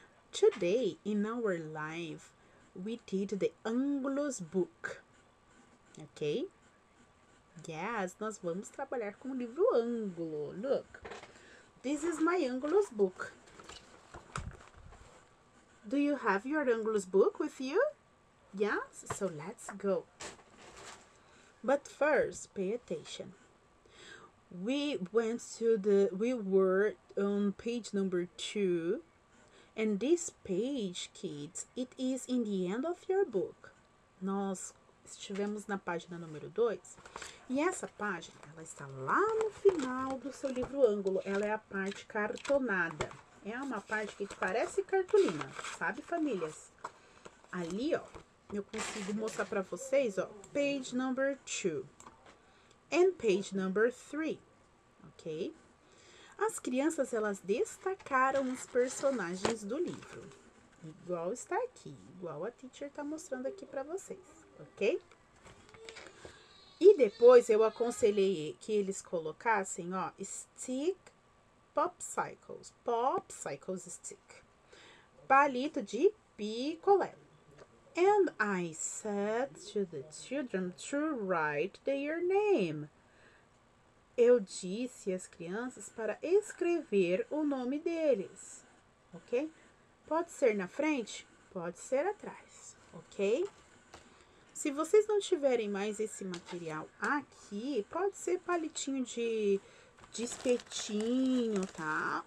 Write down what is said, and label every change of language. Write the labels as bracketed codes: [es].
[en] Today, in our life, we did the Anglo's book. Okay? [pt] Yes, nós vamos trabalhar com o livro Anglo. [en] Look, this is my Anglo's book. Do you have your Anglo's book with you? Yes? So let's go. But first, pay attention. We were on page number 2, and this page, kids, it is in the end of your book. [pt] Nós estivemos na página número 2, e essa página, ela está lá no final do seu livro Ângulo. Ela é a parte cartonada. É uma parte que parece cartolina, sabe, famílias? Ali, ó, eu consigo mostrar para vocês, ó, [en] page number 2 and page number 3, [pt] ok? As crianças, elas destacaram os personagens do livro. Igual está aqui, igual a teacher está mostrando aqui para vocês. Ok? E depois eu aconselhei que eles colocassem, ó, [en] stick popsicles. Popsicles stick. [pt] Palito de picolé. [en] And I said to the children to write their name. [pt] Eu disse às crianças para escrever o nome deles. Ok? Pode ser na frente, pode ser atrás. Ok? Se vocês não tiverem mais esse material aqui, pode ser palitinho de espetinho, tá?